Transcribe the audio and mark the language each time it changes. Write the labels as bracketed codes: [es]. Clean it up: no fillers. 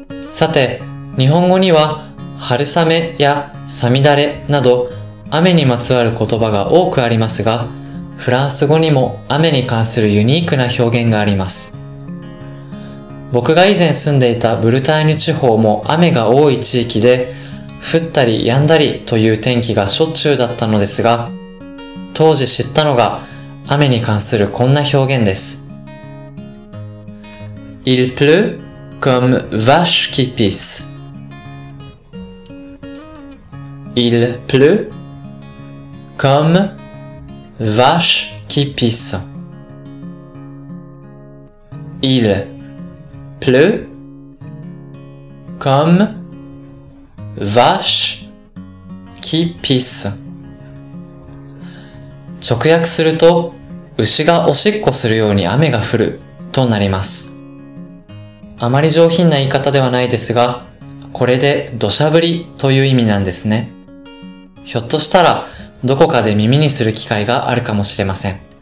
[ja] さて、日本語には春雨やさみだれなど雨にまつわる言葉が多くありますが、フランス語にも雨に関するユニークな表現があります。僕が以前住んでいたブルターニュ地方も雨が多い地域で、降ったり止んだりという天気がしょっちゅうだったのですが、当時知ったのが雨に関するこんな表現です。 [fr] Il pleut comme vache qui pisse。 Il pleut comme vache qui pisse. Il pleut comme vache qui pisse. [ja] 直訳すると、牛がおしっこするように雨が降るとなります。あまり上品な言い方ではないですが、これで土砂降りという意味なんですね。ひょっとしたらどこかで耳にする機会があるかもしれません。